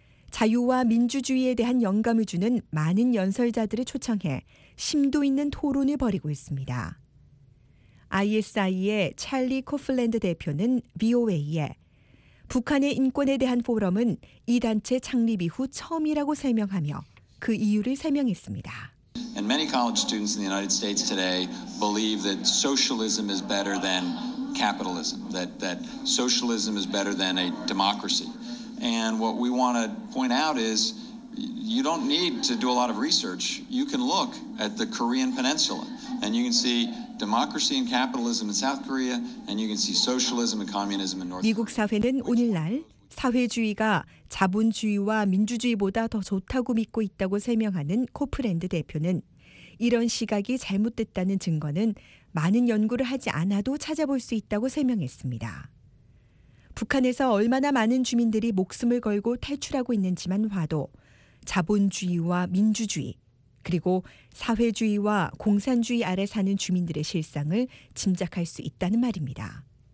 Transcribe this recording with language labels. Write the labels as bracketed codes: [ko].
[ko] 자유와 민주주의에 대한 영감을 주는 많은 연설자들을 초청해 심도 있는 토론을 벌이고 있습니다. ISI의 찰리 코플랜드 대표는 VOA에 북한의 인권에 대한 포럼은 이 단체 창립 이후 처음이라고 설명하며 그 이유를 설명했습니다. [en] And many college students in the United States today believe that socialism is better than capitalism, that socialism is better than a democracy. And what we want to point out is you don't need to do a lot of research. You can look at the Korean Peninsula and you can see democracy and capitalism in South Korea and you can see socialism and communism in North Korea. [ko] 미국 사회는 오늘날 사회주의가 자본주의와 민주주의보다 더 좋다고 믿고 있다고 설명하는 코프랜드 대표는 이런 시각이 잘못됐다는 증거는 많은 연구를 하지 않아도 찾아볼 수 있다고 설명했습니다. 북한에서 얼마나 많은 주민들이 목숨을 걸고 탈출하고 있는지만 봐도 자본주의와 민주주의, 그리고 사회주의와 공산주의 아래 사는 주민들의 실상을 짐작할 수 있다는 말입니다.